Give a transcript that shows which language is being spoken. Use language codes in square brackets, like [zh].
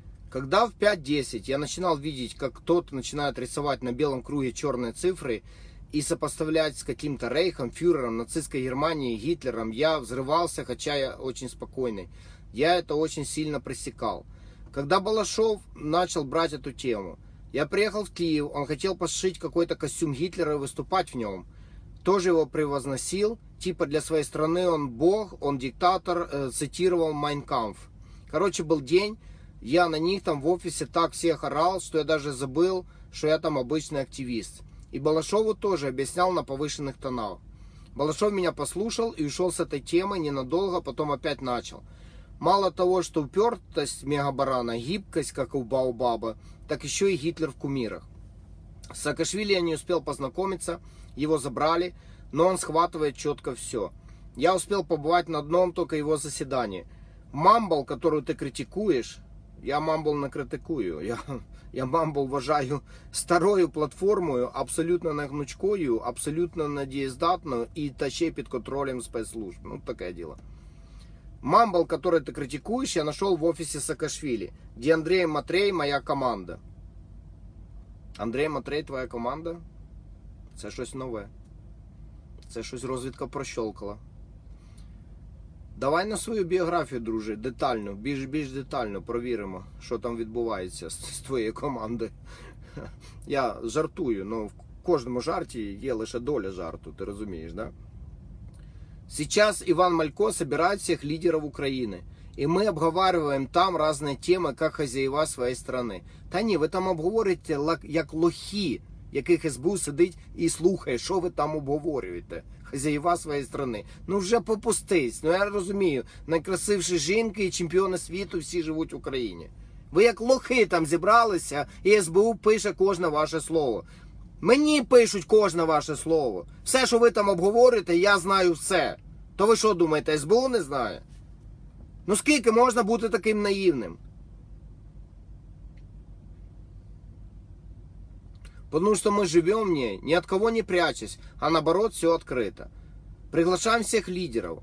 [ru] Когда в 5-10 я начинал видеть, как кто-то начинает рисовать на белом круге черные цифры и сопоставлять с каким-то рейхом, фюрером, нацистской Германией, Гитлером, я взрывался, хотя я очень спокойный. Я это очень сильно пресекал. Когда Балашов начал брать эту тему, я приехал в Киев, он хотел пошить какой-то костюм Гитлера и выступать в нем. Тоже его превозносил. Типа для своей страны он бог, он диктатор, цитировал Mein Kampf. Короче, был день, я на них там в офисе так всех орал, что я даже забыл, что я там обычный активист. И Балашову тоже объяснял на повышенных тонах. Балашов меня послушал и ушел с этой темы ненадолго, потом опять начал. Мало того, что упертость мегабарана, гибкость, как у Баобаба, так еще и Гитлер в кумирах. С Саакашвили я не успел познакомиться, его забрали. Но он схватывает четко все. Я успел побывать на одном только его заседании. Мамбл, которую ты критикуешь, я Мамбл не критикую. [uk] Я Мамбл вважаю старою платформою, абсолютно не гнучкою, абсолютно недієздатною і та ще під контролем спецслужб. Ну, таке діло. [ru] Мамбл, который ты критикуешь, я нашел в офисе Саакашвили, где Андрей Матрей моя команда. Андрей Матрей твоя команда? [uk] Це щось нове. Це щось розвідка прощолкала. Давай на свою біографію, друже, детальну, більш детально провіримо, що там відбувається з твоєї команди. Я жартую, але в кожному жарті є лише доля жарту, ти розумієш, да? Зараз Іван Малько збирає всіх лідерів України. І ми обговорюємо там різні теми, як хазяєва своєї країни. Та ні, ви там обговорюєте, як лохи. Яких СБУ сидить і слухає, що ви там обговорюєте, хазяєва своєї країни. Ну вже попустись, ну я розумію, найкрасивші жінки і чемпіони світу всі живуть в Україні. Ви як лохи там зібралися, і СБУ пише кожне ваше слово. Мені пишуть кожне ваше слово. Все, що ви там обговорюєте, я знаю все. То ви що думаєте, СБУ не знає? Ну скільки можна бути таким наївним? [ru] Потому что мы живем в ней, ни от кого не прячась, а наоборот, все открыто. Приглашаем всех лидеров.